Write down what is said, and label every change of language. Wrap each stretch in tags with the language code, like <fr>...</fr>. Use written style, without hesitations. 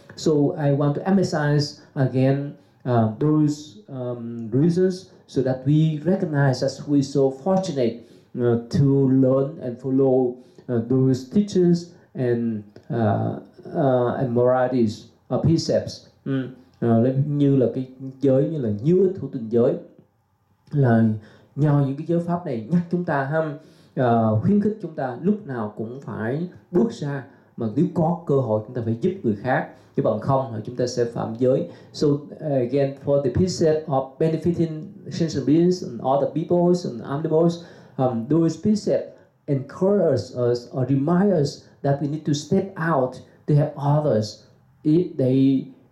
<en>So I want to emphasize again those reasons so that we recognize that we're so fortunate to learn and follow those teachers and moralities or precepts.</en> <vi>Như là cái giới, như là nhu ích thủ tình giới, là nhờ những cái giới pháp này nhắc chúng ta, khuyến khích chúng ta lúc nào cũng phải bước ra, mà nếu có cơ hội chúng ta phải giúp người khác, chứ bằng không chúng ta sẽ phạm giới.</vi> <en>So again, for the precept of benefiting sentient beings and other peoples and animals, those precepts encourage us or remind us that we need to step out to help others if they</en>